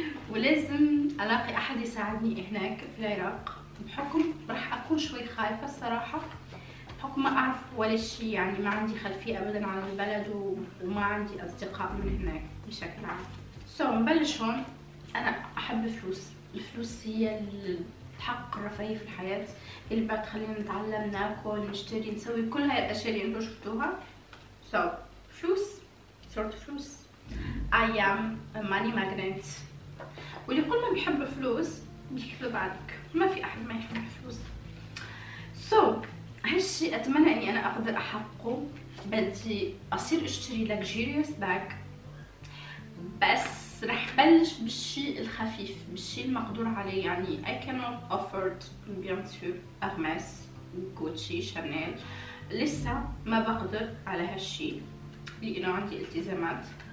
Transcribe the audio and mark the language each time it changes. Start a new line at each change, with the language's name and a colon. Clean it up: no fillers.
Arabic: ولازم الاقي احد يساعدني هناك في العراق، بحكم راح اكون شوي خايفه الصراحه، بحكم ما اعرف ولا شيء، يعني ما عندي خلفيه ابدا عن البلد، وما عندي اصدقاء من هناك بشكل عام. سو نبلش هون. انا احب الفلوس، الفلوس هي حق الرفاهية في الحياة، اللي بعد خلينا نتعلم، ناكل، نشتري، نسوي كل هاي الأشياء اللي انتو شفتوها.
English: So فلوس، sort of فلوس. I am a money magnet.
Arabic: واللي كل ما بيحب الفلوس بيحب بعدك، ما في أحد ما يحب الفلوس. So هالشي أتمنى إني أنا أقدر أحققه، بدي أصير أشتري
English: luxurious bag،
Arabic: بس رح بلش بالشيء الخفيف، بالشيء المقدور عليه، يعني
English: I cannot afford Hermes Gucci Chanel،
Arabic: لسه ما بقدر على هالشيء لانه عندي التزامات.